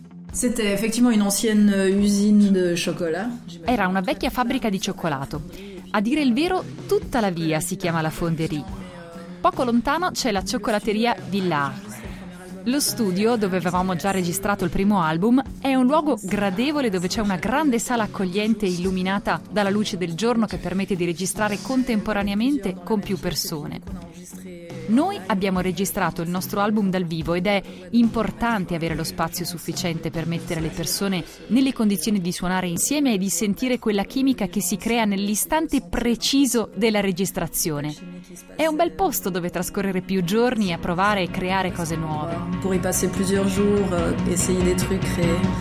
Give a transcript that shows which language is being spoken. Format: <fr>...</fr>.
<fr>C'était effectivement une ancienne usine de chocolat.</fr> <it>Era una vecchia fabbrica di cioccolato. A dire il vero, tutta la via si chiama la Fonderie. Poco lontano c'è la cioccolateria Villard. Lo studio, dove avevamo già registrato il primo album, è un luogo gradevole dove c'è una grande sala accogliente illuminata dalla luce del giorno che permette di registrare contemporaneamente con più persone. Noi abbiamo registrato il nostro album dal vivo ed è importante avere lo spazio sufficiente per mettere le persone nelle condizioni di suonare insieme e di sentire quella chimica che si crea nell'istante preciso della registrazione. È un bel posto dove trascorrere più giorni a provare e creare cose nuove. Puoi passare</it> <fr>plusieurs jours essayer des trucs créés.</fr>